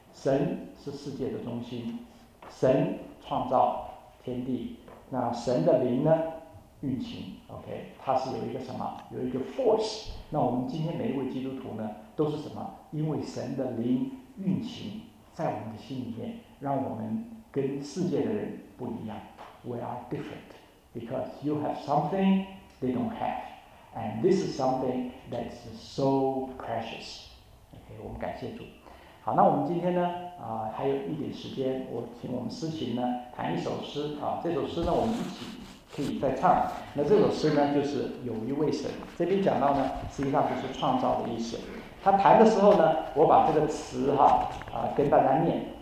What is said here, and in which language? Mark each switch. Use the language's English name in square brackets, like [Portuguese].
[Chinese] 神是世界的中心，神创造天地，那神的灵呢运行 ，OK， 它是有一个什么？有一个 force。那我们今天每一位基督徒呢，都是什么？因为神的灵运行在我们的心里面，让我们跟世界的人不一样。 [English] We are different because you have something they don't have, and this is something that's so precious. [Chinese] OK， 我们感谢主。好，那我们今天呢，还有一点时间，我请我们诗琴呢弹一首诗啊。这首诗呢，我们一起可以再唱。那这首诗呢，就是有一位神，这边讲到呢，实际上就是创造的意思。他弹的时候呢，我把这个词哈跟大家念。